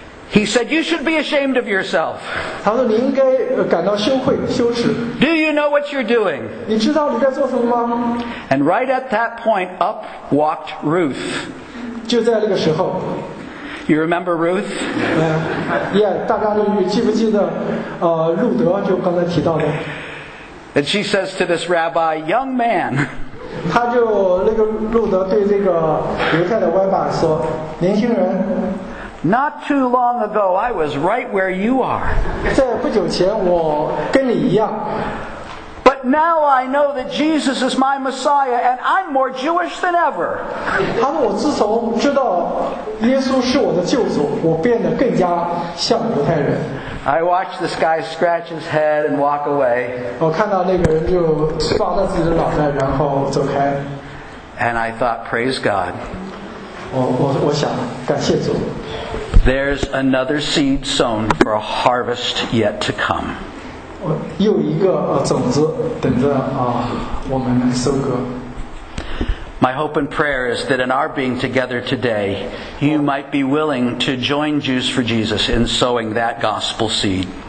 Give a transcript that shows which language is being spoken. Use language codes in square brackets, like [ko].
[en] He said, "You should be ashamed of yourself." [zh] 他说你应该感到羞愧羞耻。 [en] Do you know what you're doing? [zh] 你知道你在做什么吗？ [en] And right at that point, up walked Ruth. [zh] 就在那个时候。 [en] You remember Ruth? [zh] Yeah, 大家都记不记得路德就刚才提到的。 [en] And she says to this rabbi, "Young man." [zh] 他就那个路德对这个犹太的歪把说，年轻人。 [en] Not too long ago, I was right where you are. [zh] 在不久前，我跟你一样。 [en] But But now I know that Jesus is my Messiah, and I'm more Jewish than ever. [zh] 他说我自从知道耶稣是我的救主，我变得更加像犹太人。 [en] I watch this guy scratch his head and walk away. [zh] 我看到那个人就抓着自己的脑袋，然后走开。 [en] And I thought, praise God. [zh] 我想感谢主。 [en] There's another seed sown for a harvest yet to come. [zh] 又一个种子等着我们收割。 [en] My hope and prayer is that in our being together today, you might be willing to join Jews for Jesus in sowing that gospel seed.